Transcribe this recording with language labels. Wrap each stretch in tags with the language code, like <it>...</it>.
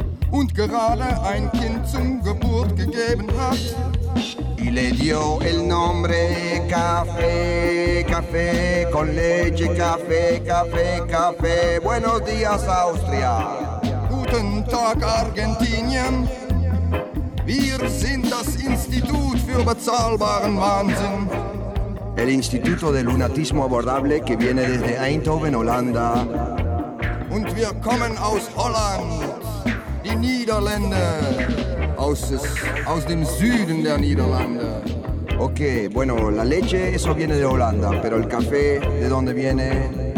<de>Und gerade ein Kind zum Geburt gegeben hat.</de> <es>Y le dio el nombre Café, Café con leche, Café, Café, Café. Buenos días, Austria.</es> <de>Guten Tag, Argentinien. Wir sind das Institut für bezahlbaren Wahnsinn.</de> <es>El Instituto de Lunatismo Abordable, que viene desde Eindhoven, Holanda.</es> <de>Und wir kommen aus Holland, die Niederlande, aus dem Süden der Niederlande.</de> <es>Ok, bueno, la leche, eso viene de Holanda, pero el café, ¿de dónde viene?</es>